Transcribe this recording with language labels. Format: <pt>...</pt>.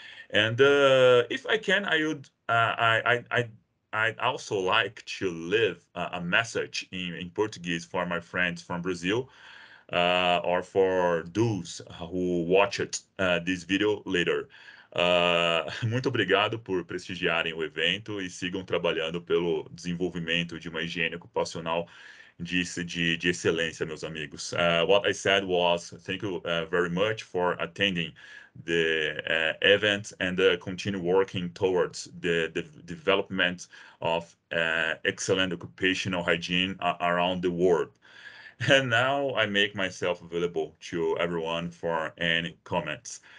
<en>And if I can, I'd also like to leave a message in Portuguese for my friends from Brazil, or for those who watch it this video later.</en> <pt>Muito obrigado por prestigiarem o evento e sigam trabalhando pelo desenvolvimento de uma higiene ocupacional de excelência, meus amigos.</pt> <en>What I said was thank you very much for attending the event and continue working towards the development of excellent occupational hygiene around the world. And now I make myself available to everyone for any comments.</en>